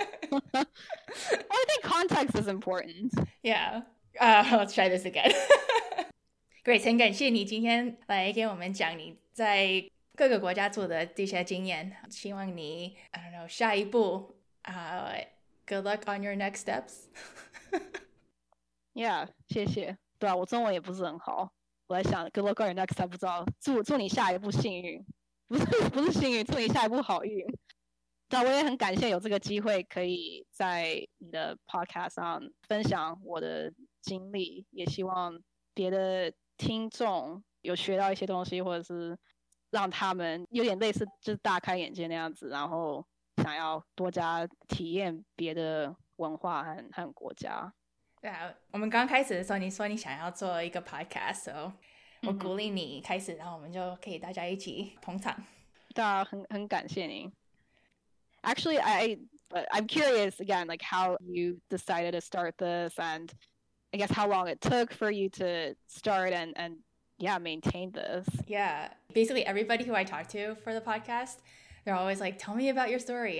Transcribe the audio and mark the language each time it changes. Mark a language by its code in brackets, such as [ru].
[en] Well, I think context is important. Yeah. Let's try this again. [zh] Grace, 很感谢你今天来给我们讲你在各个国家做的这些经验，希望你 [en] I don't know [zh] 下一步 [en] good luck on your next steps. [zh] Yeah, 谢谢。对啊，我中文也不是很好，我在想 [en] good luck on your next step， [zh] 不知道祝你下一步幸运，不是幸运，祝你下一步好运。但我也很感谢有这个机会可以在你的 podcast 上分享我的经历，也希望别的听众有学到一些东西，或者是让他们有点类似就是大开眼界那样子，然后想要多加体验别的文化 和国家。对啊，我们刚开始的时候你说你想要做一个 podcast， so 我鼓励你开始，然后我们就可以大家一起捧场。对啊， 很感谢你。 [en] Actually, I'm curious again, like how you decided to start this and I guess how long it took for you to start and yeah, maintain this. Yeah, basically everybody who I talk to for the podcast, they're always like, tell me about your story.